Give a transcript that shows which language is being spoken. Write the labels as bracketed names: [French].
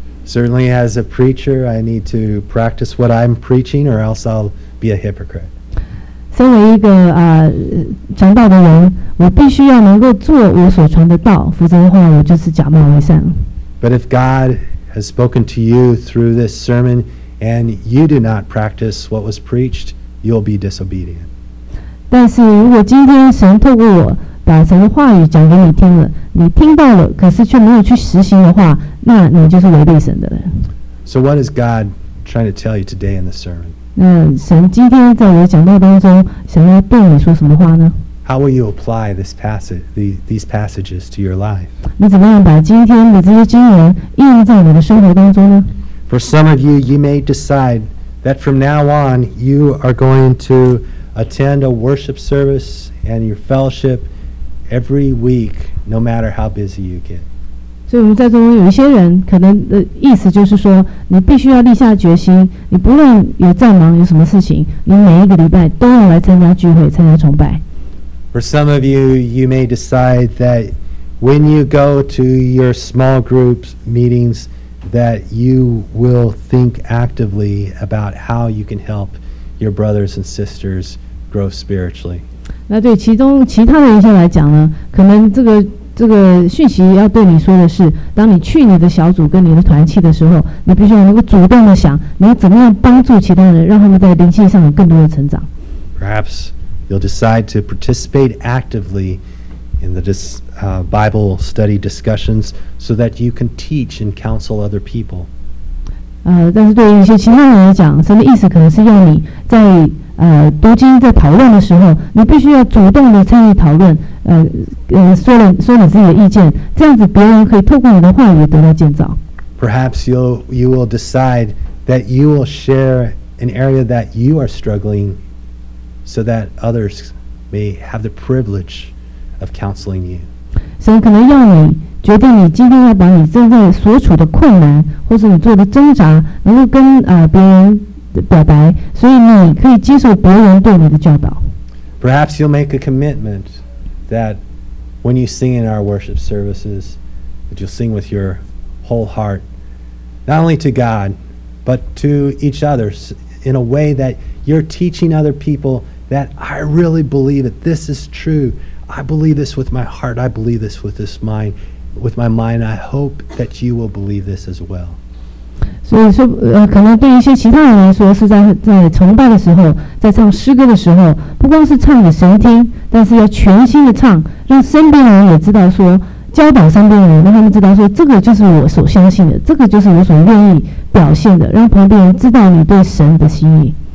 [English] Certainly, as a preacher, I need to practice what I'm preaching, or else I'll be a hypocrite. [Chinese] 身为一个传道的人，我必须要能够做我所传的道，否则的话，我就是假冒为善。 [English] But if God has spoken to you through this sermon, and you do not practice what was preached, you'll be disobedient. [Chinese] 但是如果今天神透过我把神的话语讲给你听了，你听到了，可是却没有去实行的话，那你就是违背神的人。 [English] So what is God trying to tell you today in the sermon? [Chinese] 那神今天在我的讲道当中，想要对你说什么话呢？ [English] How will you apply this passage, these passages to your life? [Chinese] 你怎么样把今天的这些经文应用在你的生活当中呢？ [English] For some of you, you may decide that from now on, you are going to attend a worship service and your fellowship every week, no matter how busy you get. [Chinese] 所以我们在中有一些人可能的意思就是说，你必须要立下决心，你不论有再忙有什么事情，你每一个礼拜都要来参加聚会，参加崇拜。 [English] For some of you, you may decide that when you go to your small groups meetings, that you will think actively about how you can help your brothers and sisters grow spiritually. [Chinese] 那对其他的一些来讲呢，可能这个讯息要对你说的是，当你去你的小组跟你的团契的时候，你必须能够主动的想，你怎么样帮助其他人，让他们在灵性上有更多的成长。 [English] Perhaps. You'll decide to participate actively in the Bible study discussions so that you can teach and counsel other people. [Chinese] 但是对于一些其他人来讲，神的意思可能是要你在读经在讨论的时候，你必须要主动的参与讨论，说你自己的意见，这样子别人可以透过你的话语得到建造。 [English] Perhaps you will decide that you will share an area that you are struggling with. So that others may have the privilege of counseling you. [Chinese] 神可能要你决定，你今天要把你正在所处的困难，或是你做的挣扎，能够跟别人表白，所以你可以接受别人对你的教导。 [English] Perhaps you'll make a commitment that when you sing in our worship services, that you'll sing with your whole heart, not only to God, but to each other, in a way that. You're teaching other people that I really believe that this is true. I believe this with my heart. I believe this with this mind, with my mind. I hope that you will believe this as well. [Chinese] 所以说，可能对一些其他人来说，是在崇拜的时候，在唱诗歌的时候，不光是唱给神听，但是要全心的唱，让身边人也知道说，教导身边人，让他们知道说，这个就是我所相信的，这个就是我所愿意表现的，让旁边人知道你对神的心意。